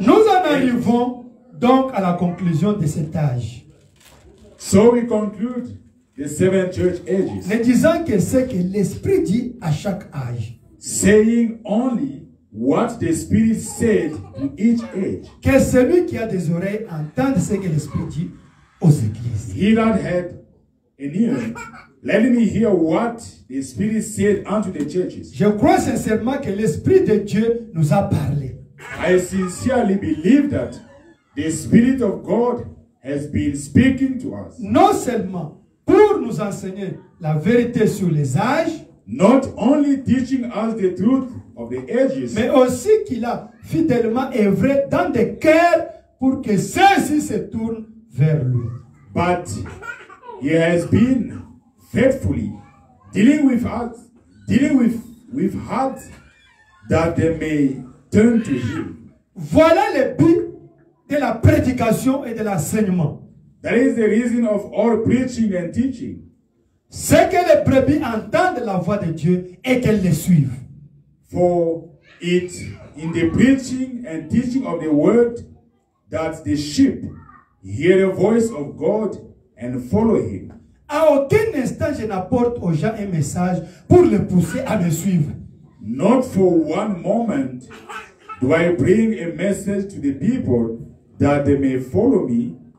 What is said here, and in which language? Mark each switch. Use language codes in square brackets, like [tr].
[fr] Nous en arrivons donc à la conclusion de cet âge. [en] So we conclude the seven church ages. [fr] Ne disant que ce que l'esprit dit à chaque âge. [en] Saying only what the Spirit said to each age. [fr] Que celui qui a des oreilles entende ce que l'Esprit dit aux églises. [en] He that had an ear, let me hear what the Spirit said unto the churches. [fr] Je crois sincèrement que l'Esprit de Dieu nous a parlé. [en] I sincerely believe that the Spirit of God has been speaking to us. [fr] Non seulement pour nous enseigner la vérité sur les âges. [en] Not only teaching us the truth of the ages, [fr] mais aussi qu'il a fidèlement œuvré dans des cœurs pour que ceux-ci se tournent vers lui. [en] But he has been faithfully dealing with hearts that they may turn to him. [fr] Voilà le but de la prédication et de l'enseignement. [en] That is the reason of all preaching and teaching. [fr] C'est que les brebis entendent la voix de Dieu et qu'elles les suivent. [en] For it in the preaching and teaching of the word that the sheep hear the voice of God and follow him. [fr] À aucun instant je n'apporte aux gens un message pour les pousser à me suivre. [en] Not for one moment do I bring a message to the people that they may follow me.